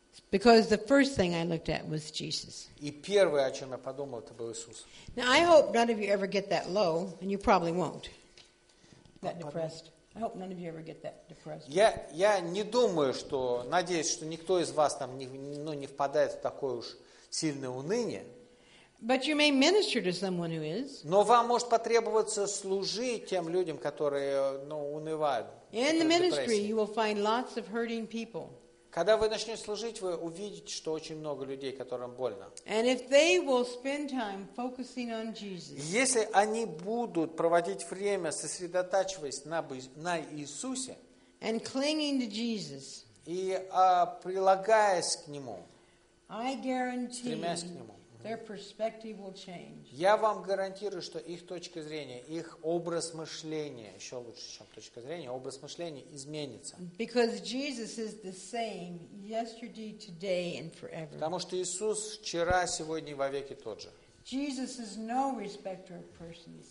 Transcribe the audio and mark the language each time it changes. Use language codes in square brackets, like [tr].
[en] Because the first thing I looked at was Jesus. [ru] И первое, о чем я подумал, это был Иисус. [en] Now I hope none of you ever get that low, and you probably won't. That depressed. I hope none of you ever get that depressed. [ru] Я не думаю, что надеюсь, что никто из вас там не впадает в такое уж сильное уныние. [en] But you may minister to someone who is. [ru] Но вам может потребоваться служить тем людям, которые унывают. [en] In the ministry, you will find lots of hurting people. [ru] Когда вы начнете служить, вы увидите, что очень много людей, которым больно. [en] And if they will spend time focusing on Jesus. [ru] Если они будут проводить время, сосредотачиваясь на Иисусе, [en] and clinging to Jesus. [ru] И прилагаясь к Нему, [en] I guarantee, [ru] стремясь к Нему, [en] their perspective will change. [ru] Я вам гарантирую, что их точка зрения, их образ мышления, еще лучше, чем точка зрения, образ мышления изменится. [en] Because Jesus is the same yesterday, today, and forever. [ru] Потому что Иисус вчера, сегодня и вовеки тот же. [en] Jesus is no respecter of persons.